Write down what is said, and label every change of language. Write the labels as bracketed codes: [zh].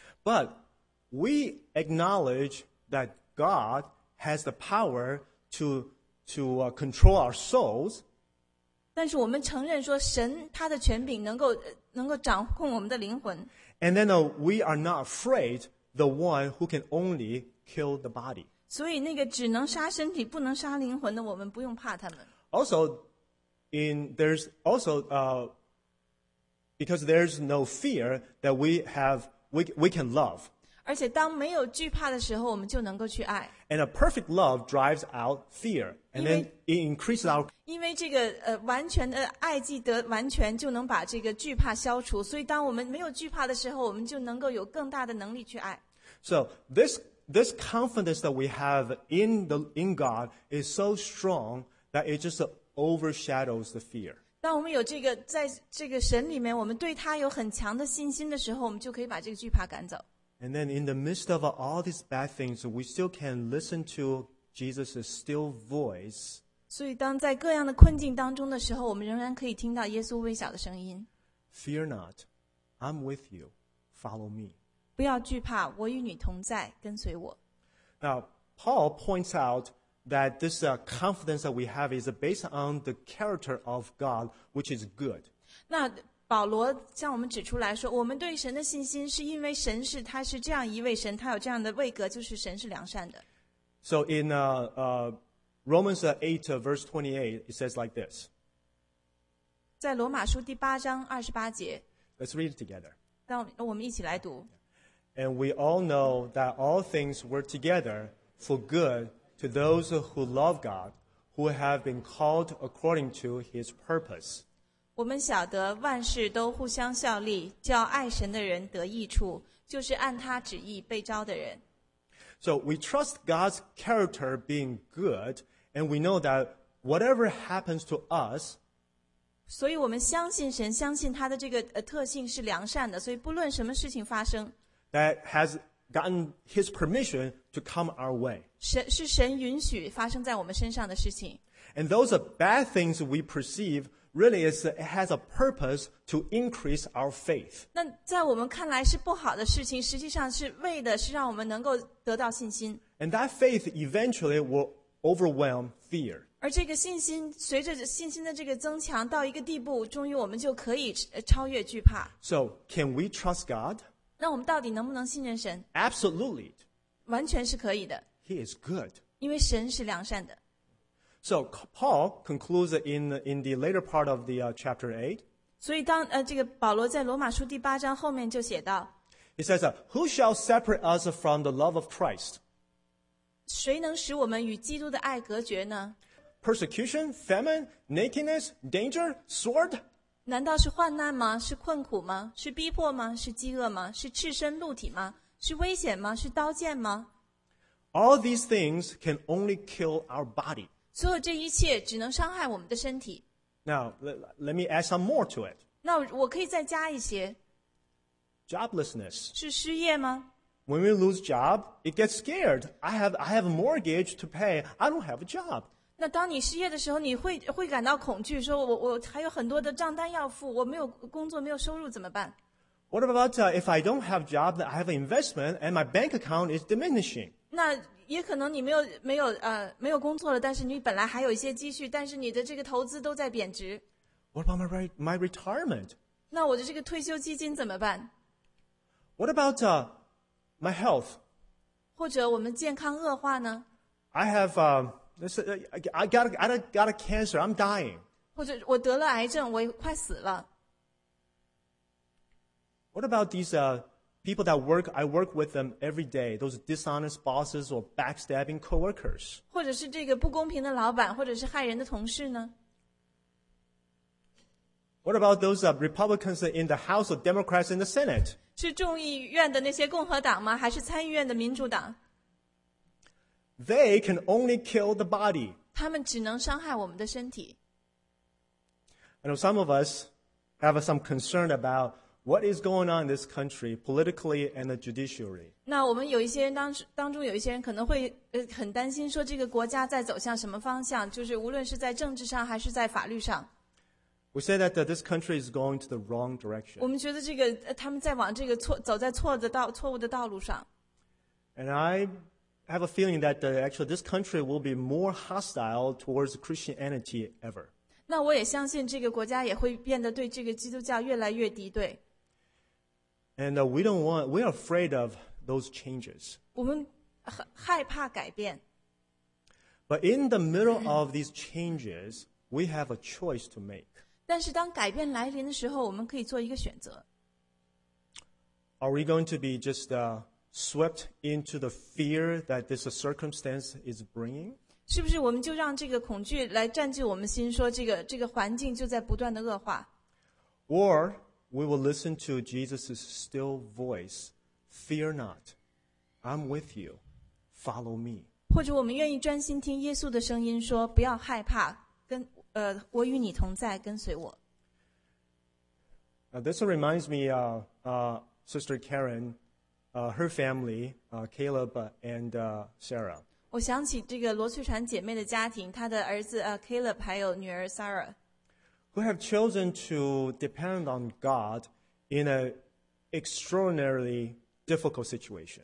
[en] But we acknowledge that God has the power to control our souls. [zh] 但是我们承认说神他的权柄能够掌控我们的灵魂。 [en] And then we are not afraid the one who can only kill the body. [zh] 所以那个只能杀身体不能杀灵魂的我们不用怕他们。 [en] Also, there's also because there's no fear that we can love. [zh] 而且当没有惧怕的时候，我们就能够去爱。 [en] And a perfect love drives out fear, and then it increases our. [zh] 因为这个完全的爱既得完全，就能把这个惧怕消除。所以当我们没有惧怕的时候，我们就能够有更大的能力去爱。 [en] So this confidence that we have in God is so strong that it just overshadows the fear. [zh] 当我们有这个在这个神里面，我们对他有很强的信心的时候，我们就可以把这个惧怕赶走。 [en] And then in the midst of all these bad things, we still can listen to Jesus' still voice. [zh] 所以当在各样的困境当中的时候，我们仍然可以听到耶稣微小的声音。 [en] Fear not, I'm with you, follow me. [zh] 不要惧怕，我与你同在，跟随我。 [en] Now, Paul points out that this confidence that we have is based on the character of God, which is good. [zh] 那保罗向我们指出来说，我们对神的信心是因为神是他是这样一位神，他有这样的位格，就是神是良善的。 [en] So in Romans 8 verse 28 it says like this. [zh] 在罗马书第八章二十八节。 [en] Let's read it together. [zh] 让我们一起来读。 [en] And we all know that all things work together for good to those who love God, who have been called according to His purpose. [zh] 我们晓得万事都互相效力，叫爱神的人得益处，就是按他旨意被召的人。 [en] So we trust God's character being good, and we know that whatever happens to us, [zh] 所以我们相信神，相信他的这个特性是良善的，所以不论什么事情发生， [en] that has gotten His permission to come our way. [zh] 是神允许发生在我们身上的事情。 [en] And those are bad things we perceive, really it has a purpose to increase our faith. [zh] 那在我们看来是不好的事情，实际上是为的是让我们能够得到信心。 [en] And that faith eventually will overwhelm fear. [zh] 而这个信心随着信心的这个增强到一个地步，终于我们就可以超越惧怕。 [en] So, can we trust God? [zh] 那我们到底能不能信任神？ [en] Absolutely. [zh] 完全是可以的。 [en] He is good. [zh] 因为神是良善的。 [en] So Paul concludes in the later part of the chapter 8. [zh] 所以当这个保罗在罗马书第八章后面就写到， [en] He says, Who shall separate us from the love of Christ? [zh] 谁能使我们与基督的爱隔绝呢？ [en] Persecution, famine, nakedness, danger, sword? [zh] 难道是患难吗？是困苦吗？是逼迫吗？是饥饿吗？是赤身露体吗？是危险吗？是刀剑吗？ [en] All these things can only kill our body. [zh] 所有这一切只能伤害我们的身体。 [en] Now, let me add some more to it. [zh] 那我可以再加一些。 [en] Joblessness. [zh] 是失业吗？ [en] When we lose job, it gets scared. I have a mortgage to pay. I don't have a job. [zh] 那当你失业的时候，你会感到恐惧，说我还有很多的账单要付，我没有工作，没有收入怎么办？ [en] What about if I don't have a job, I have an investment, and my bank account is diminishing? [zh] 那也可能你没有工作了，但是你本来还有一些积蓄，但是你的这个投资都在贬值。 [en] What about my retirement? [zh] 那我的这个退休基金怎么办？ [en] What about my health? [zh] 或者我们健康恶化呢？ [en] I have I got a cancer, I'm dying. [zh] 或者我得了癌症，我快死了。 [en] What about these people that work, I work with them every day, those dishonest bosses or backstabbing coworkers. [zh] 或者是这个不公平的老板，或者是害人的同事呢？ [en] What about those Republicans in the House or Democrats in the Senate? [zh] 是众议院的那些共和党吗？还是参议院的民主党？ [en] They can only kill the body. [zh] 他们只能伤害我们的身体。 [en] I know some of us have some concern aboutWhat is going on in this country politically and the judiciary? [zh] 那我们有一些人当中有一些人可能会很担心说这个国家在走向什么方向，就是无论是在政治上还是在法律上。 [en] We say that this country is going to the wrong direction. [zh] 我们觉得这个他们在往这个错走在错的道错误的道路上。 [en] And I have a feeling that actually this country will be more hostile towards Christianity ever. [zh] 那我也相信这个国家也会变得对这个基督教越来越敌对。 [en] And we're afraid of those changes. [zh] 我们害怕改变。 [en] But in the middle of these changes, we have a choice to make. [zh] 但是当改变来临的时候，我们可以做一个选择。 [en] Are we going to be just swept into the fear that this circumstance is bringing? [zh] 是不是我们就让这个恐惧来占据我们心，说这个环境就在不断的恶化？ [en] Or we will listen to Jesus' still voice, Fear not, I'm with you, follow me. [zh] 或者我们愿意专心听耶稣的声音，说不要害怕，我与你同在，跟随我。 [en] This reminds me, Sister Karen, her family, Caleb and Sarah. [zh] 我想起这个罗翠传姐妹的家庭，她的儿子Caleb 还有女儿 Sarah， [en] who have chosen to depend on God in an extraordinarily difficult situation.